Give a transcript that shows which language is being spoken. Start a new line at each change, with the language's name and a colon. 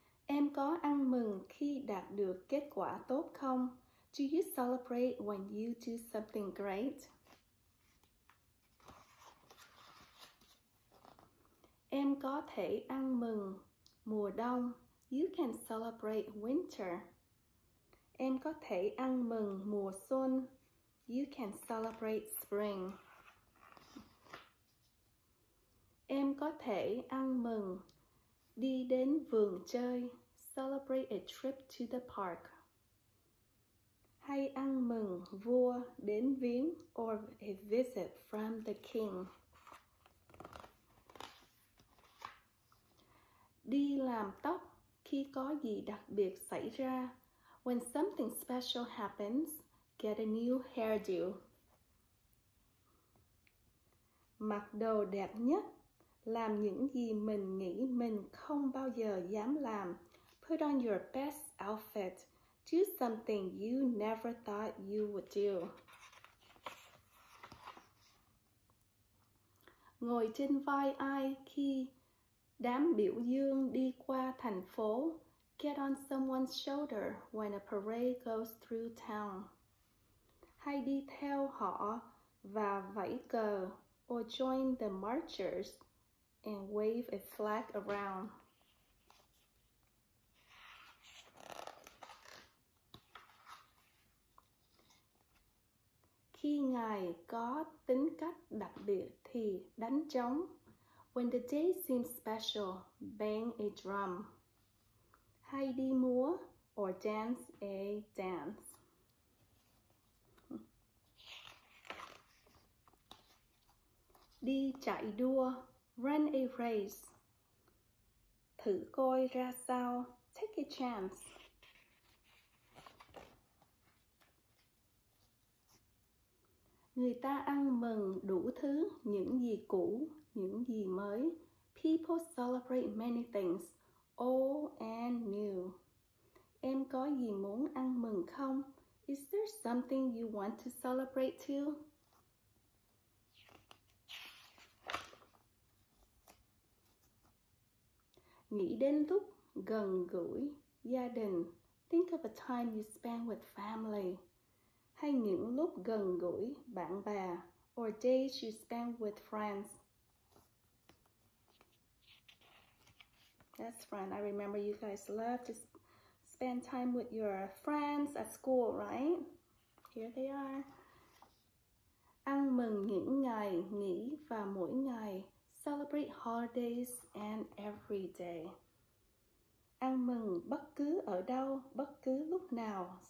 Vietnamese: Em có ăn mừng khi đạt được kết quả tốt không?
English: Do you celebrate when you do something great?
Vietnamese: Em có thể ăn mừng mùa đông.
English: You can celebrate winter.
Vietnamese: Em có thể ăn mừng mùa xuân.
English: You can celebrate spring.
Vietnamese: Em có thể ăn mừng đi đến vườn chơi.
English: Celebrate a trip to the park.
Vietnamese: Hay ăn mừng vua đến viếng
English: or a visit from the king.
Vietnamese: Đi làm tóc khi có gì đặc biệt xảy ra.
English: When something special happens, get a new hairdo.
Vietnamese: Mặc đồ đẹp nhất, làm những gì mình nghĩ mình không bao giờ dám làm.
English: Put on your best outfit. Do something you never thought you would do.
Vietnamese: Ngồi trên vai ai khi đám biểu dương đi qua thành phố.
English: Get on someone's shoulder when a parade goes through town.
Vietnamese: Hay đi theo họ và vẫy cờ.
English: Or join the marchers and wave a flag around.
Vietnamese: Khi ngài có tính cách đặc biệt thì đánh trống.
English: When the day seems special, bang a drum.
Vietnamese: Hay đi múa
English: or dance a dance.
Vietnamese: Đi chạy đua,
English: run a race.
Vietnamese: Thử coi ra sao,
English: take a chance.
Vietnamese: Người ta ăn mừng đủ thứ, những gì cũ, những gì mới.
English: People celebrate many things, old and new.
Vietnamese: Em có gì muốn ăn mừng không?
English: Is there something you want to celebrate too?
Vietnamese: Nghĩ đến lúc gần gũi gia đình.
English: Think of a time you spend with family.
Vietnamese: Hay những lúc gần gũi bạn bè,
English: or days you spend with friends. That's fun. I remember you guys love to spend time with your friends at school, right? Here they are.
Vietnamese: Ăn mừng những ngày nghỉ và mỗi ngày.
English: Celebrate holidays and every day.
Vietnamese: Ăn mừng bất cứ ở đâu, bất cứ lúc nào.